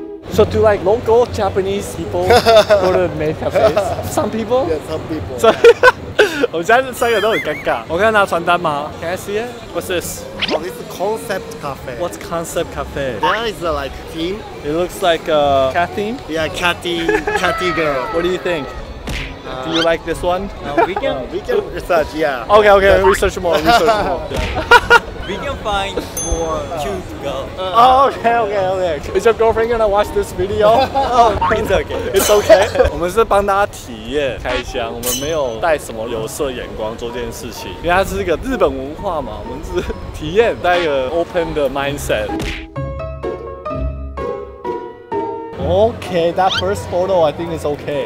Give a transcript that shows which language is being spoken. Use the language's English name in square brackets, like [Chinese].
[English] So to like local Japanese people go to maid cafes? Some people? Yeah, some people. [Chinese] So, 我们现在三个都很尴尬。我可以拿传单吗？ [English] Can I see it? What's this? Oh, this is concept cafe. What's concept cafe? That is like theme. It looks like a cat theme. Yeah, catty girl. What do you think? Do you like this one? We can research, yeah. Okay, research more. We can find more cute girls. Okay. Is your girlfriend gonna watch this video? It's okay. [Chinese] 我们是帮大家体验开箱，我们没有带什么有色眼光做这件事情，因为它是一个日本文化嘛，我们是体验，带一个 open 的 mindset。 [English] Okay, that first photo I think is okay.